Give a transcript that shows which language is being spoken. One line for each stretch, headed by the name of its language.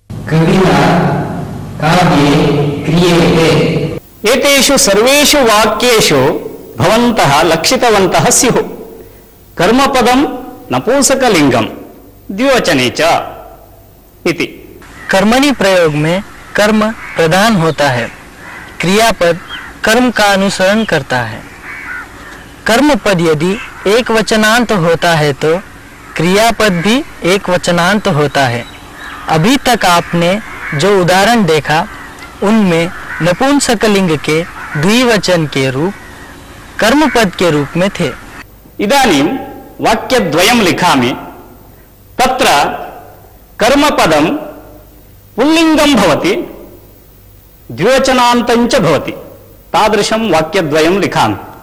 Sanskrit: कविना काव्ये क्रियते एतेषु सर्वेषु वाक्येषु भवन्तः लक्षितवन्तः स्युः कर्मपदं नपुंसकलिंगं द्विवचने च इति
Hindi: कर्मणि प्रयोग में कर्म प्रधान होता है, क्रियापद कर्म का अनुसरण करता है। कर्मपद यदि एक वचनांत होता है तो क्रियापद भी एक वचनांत होता है। अभी तक आपने जो उदाहरण देखा उनमें नपुंसकलिंग के द्विवचन के रूप कर्मपद के रूप में थे।
Sanskrit: इदानीं वाक्यद्वयं लिखामि, तत्र कर्मपदं पुल्लिंगं भवति द्विवचनान्तं च भवति, तादृशं वाक्यद्वयं लिखामि।